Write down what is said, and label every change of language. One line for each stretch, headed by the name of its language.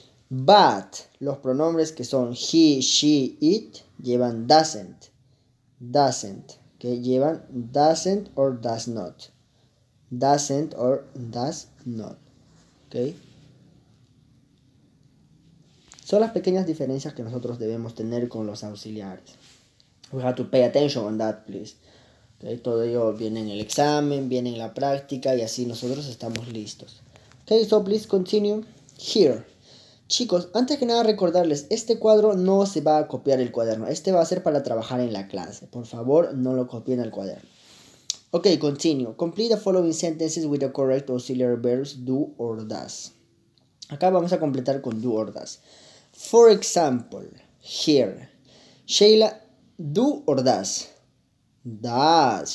Spanish: But, los pronombres que son he, she, it, llevan doesn't.
English: Doesn't,
Spanish: que llevan
English: doesn't or does not. Doesn't or does not. Ok.
Spanish: Son las pequeñas diferencias que nosotros debemos tener con los auxiliares.
English: We have to pay attention on that, please.
Spanish: Okay, todo ello viene en el examen, viene en la práctica y así nosotros estamos listos.
English: Okay, so please continue here.
Spanish: Chicos, antes que nada recordarles, este cuadro no se va a copiar el cuaderno. Este va a ser para trabajar en la clase. Por favor, no lo copien al cuaderno.
English: Okay, continue. Complete the following sentences with the correct auxiliary verbs do or does.
Spanish: Acá vamos a completar con
English: do or does. For example, here. Sheila... Do or does? Does.